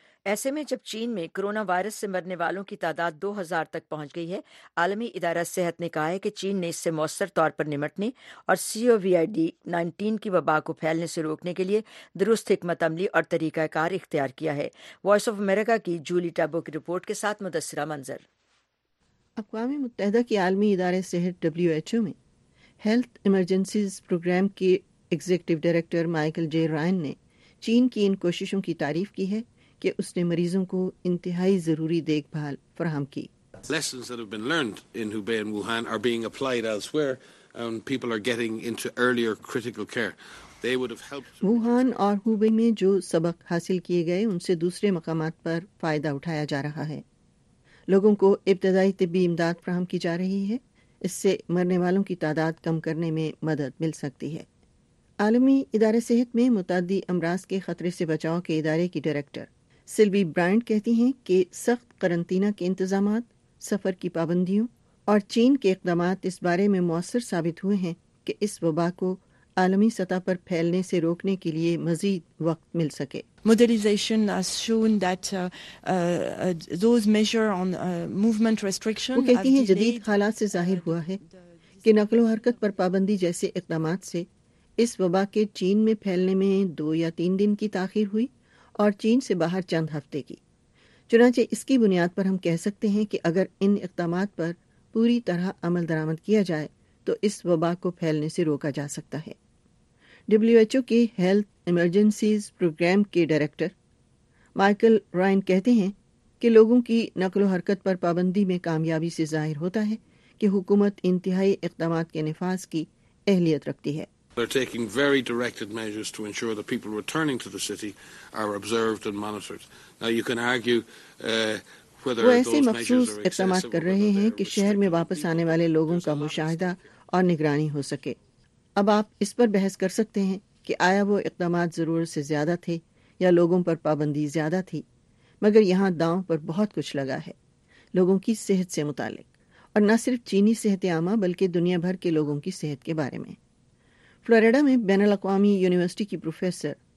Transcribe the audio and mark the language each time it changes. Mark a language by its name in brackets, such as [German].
[Urdu] ایسے میں جب چین میں کرونا وائرس سے مرنے والوں کی تعداد 2000 تک پہنچ گئی ہے، عالمی ادارہ صحت نے کہا ہے کہ چین نے اس سے مؤثر طور پر نمٹنے اور COVID-19 کی وبا کو پھیلنے سے روکنے کے لیے درست حکمت عملی اور طریقہ کار اختیار کیا ہے۔ وائس آف امریکہ کی جولی ٹیبو کی رپورٹ کے ساتھ مدثرہ منظر۔ اقوام متحدہ کے عالمی ادارے صحت WHO میں ہیلتھ ایمرجنسیز پروگرام کے ایگزیکٹو ڈائریکٹر مائیکل جے رائن نے چین کی ان کوششوں کی تعریف کی ہے کہ اس نے مریضوں کو انتہائی ضروری دیکھ بھال فراہم کی۔ [English] Lessons that have been learned in Hubei and Wuhan are being applied elsewhere and people are getting into earlier critical care. They would have helped [Urdu] Wuhan اور ہوبے میں جو سبق حاصل کیے گئے ان سے دوسرے مقامات پر فائدہ اٹھایا جا رہا ہے۔ لوگوں کو ابتدائی طبی امداد فراہم کی جا رہی ہے، اس سے مرنے والوں کی تعداد کم کرنے میں مدد مل سکتی ہے۔ عالمی ادارے صحت میں متعدی امراض کے خطرے سے بچاؤ کے ادارے کی ڈائریکٹر سلوی برائنٹ کہتی ہیں کہ سخت قرنطینہ کے انتظامات، سفر کی پابندیوں اور چین کے اقدامات اس بارے میں مؤثر ثابت ہوئے ہیں کہ اس وبا کو عالمی سطح پر پھیلنے سے روکنے کے لیے مزید وقت مل سکے۔ [English] Modernization has shown that those measure on movement restriction [Urdu] وہ کہتی ہیں جدید حالات سے ظاہر ہوا ہے کہ نقل و حرکت پر پابندی جیسے اقدامات سے اس وبا کے چین میں پھیلنے میں 2 یا 3 دن کی تاخیر ہوئی اور چین سے باہر چند ہفتے کی۔ چنانچہ اس کی بنیاد پر ہم کہہ سکتے ہیں کہ اگر ان اقدامات پر پوری طرح عمل درآمد کیا جائے تو اس وبا کو پھیلنے سے روکا جا سکتا ہے۔ WHO کے ہیلتھ ایمرجنسیز پروگرام کے ڈائریکٹر مائیکل رائن کہتے ہیں کہ لوگوں کی نقل و حرکت پر پابندی میں کامیابی سے ظاہر ہوتا ہے کہ حکومت انتہائی اقدامات کے نفاذ کی اہلیت رکھتی ہے۔ [English] They're taking very directed measures to ensure that people returning to the city are observed and monitored. Now you can argue whether those measures are excessive. [Urdu] وہ ایسے مخصوص اقدامات کر رہے ہیں کہ شہر میں واپس آنے والے لوگوں کا مشاہدہ اور نگرانی ہو سکے۔ اب آپ اس پر بحث کر سکتے ہیں کہ آیا وہ اقدامات ضرورت سے زیادہ تھے یا لوگوں پر پابندی زیادہ تھی، مگر یہاں داؤں پر بہت کچھ لگا ہے لوگوں کی صحت سے متعلق، اور نہ صرف چینی صحت عامہ بلکہ دنیا بھر کے لوگوں کی صحت کے بارے میں۔ فلوریڈا میں بین الاقوامی یونیورسٹی کی پروفیسر